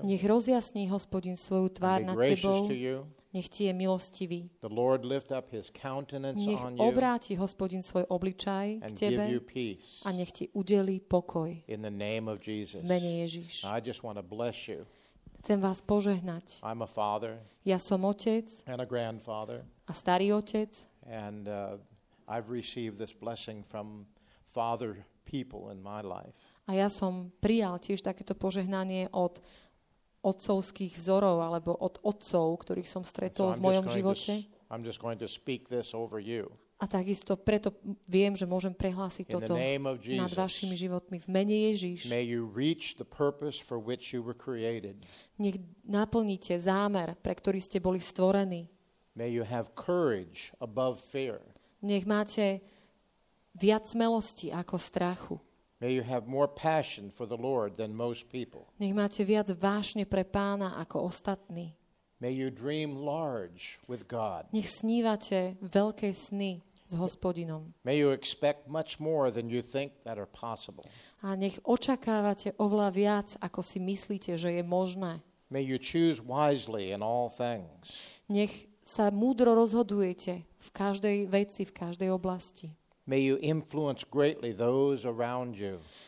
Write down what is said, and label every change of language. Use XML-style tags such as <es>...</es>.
<sk>Nech rozjasní Hospodin svoju tvár nad tebou.</sk> <en>To you.</en> <sk>Nech ti je milostivý.</sk> <en>The Lord lift up his countenance</en> <sk>nech</sk> <en>on you.</en> <sk>Nech obráti Hospodin svoj obličaj</sk> <en>and</en> <sk>k tebe.</sk> <en>Give you peace.</en> <sk>A nech ti udelí pokoj.</sk> <en>In the name of Jesus.</en> <sk>V mene Ježiš.</sk> <en>I just want to bless you.</en> <sk>Chcem vás požehnať.</sk> <en>I'm a father.</en> <sk>Ja som otec.</sk> <en>And a grandfather.</en> <sk>A starý otec.</sk> <en>And I've received this blessing from father people in my life.</en> <sk>A ja som prijal tiež takéto požehnanie od otcovských vzorov alebo od otcov, ktorých som stretol</sk> <en>so</en> <sk>v mojom živote.</sk> <en>I'm just going to speak this over you.</en> <sk>A takisto preto viem, že môžem prehlásiť toto nad vašimi životmi. V mene Ježiš.</sk> <en>May you reach the purpose for which you were created.</en> <sk>Nech naplníte zámer, pre ktorý ste boli stvorení.</sk> <en>May you have courage above fear.</en> <sk>Nech máte viac smelosti ako strachu.</sk> <en>May you have more passion for the Lord than most people.</en> <sk>Nech máte viac vášne pre Pána ako ostatní.</sk> <en>May you dream large with God.</en> <sk>Nech snívate veľké sny s Hospodinom.</sk> <en>May you expect much more than you think that are possible.</en> <sk>A nech očakávate oveľa viac, ako si myslíte, že je možné.</sk> <en>May you choose wisely in all things.</en> <sk>Nech sa múdro rozhodujete v každej veci, v každej oblasti.</sk> <en>May you influence greatly those around you.</en>